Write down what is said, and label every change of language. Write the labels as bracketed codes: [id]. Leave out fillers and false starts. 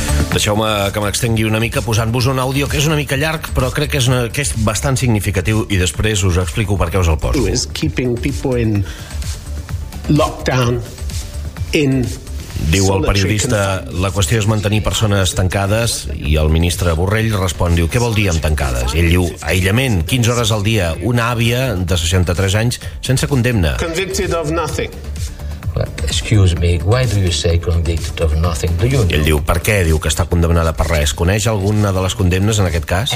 [ca] Deixeu-me que m'extengui una mica posant-vos un àudio que és una mica llarg, però crec que és, que és bastant significatiu i després us explico per què us el poso. [en] Is keeping people in lockdown in... [ca] Diu el periodista, la qüestió és mantenir persones tancades, i el ministre Borrell respon, diu, què vol dir amb tancades? I ell diu, aïllament, 15 hores al dia, una àvia de 63 anys sense condemna. [en] Convicted of nothing. Excuse me, why do you say convicted of nothing? Do you know? [ca] I ell diu, per què diu que està condemnada per res? Coneix alguna de les condemnes en aquest cas?